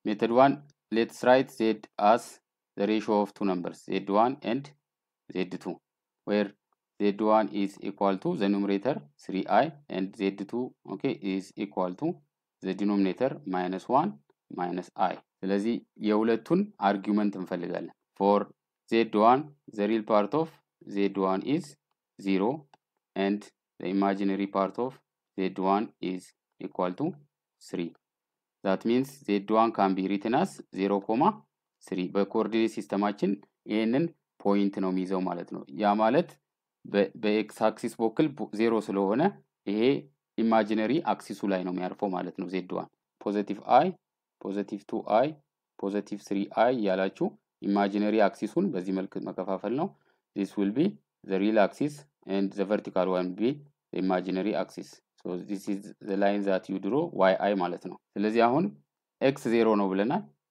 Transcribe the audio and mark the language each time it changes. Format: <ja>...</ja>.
<en>Method 1, let's write z as the ratio of two numbers z1 and z2, where z1 is equal to the numerator 3i and z2, okay, is equal to the denominator minus 1 minus i.</en> <am>ስለዚህ የሁለቱን አርጊመንት እንፈልጋለን.</am> <en>For z1, the real part of z1 is 0 and the imaginary part of z1 is equal to 3. That means z1 can be written as 0, 3.</en> <am>በኮርዲኔት ሲስተማችን ይህንን ፖይንት ነው የሚይዘው ማለት ነው. ያ ማለት በx axis በኩል 0 ስለሆነ ይሄ imaginary axis ላይ ነው የሚያርፈው ማለት ነው z1.</am> <en>positive i, positive 2i, positive 3i</en> <am>ያላችሁ imaginary axisን በዚህ መልኩ መከፋፈል ነው.</am> <en>this will be the real axis and the vertical one will be the imaginary axis. so this is the line that you draw yi</en> <am>ማለት ነው. ስለዚህ አሁን x 0 ነው ብለናል.</am>